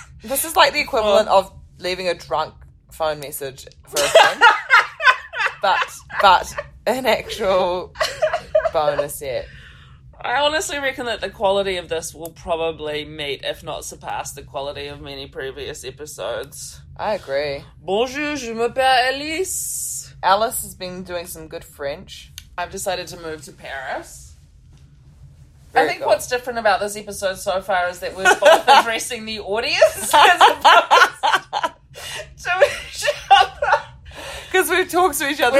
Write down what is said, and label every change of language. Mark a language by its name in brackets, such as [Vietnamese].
[English] This is like the equivalent of leaving a drunk phone message for a friend. but an actual bonus set. I honestly reckon that the quality of this will probably meet, if not surpass, the quality of many previous episodes. I agree. [French] Bonjour, je m'appelle Alice. [English] Alice has been doing some good French. I've decided to move to Paris. Very I think cool. What's different about this episode so far is that we're both addressing the audience as opposed to each other. Because we've talked to each other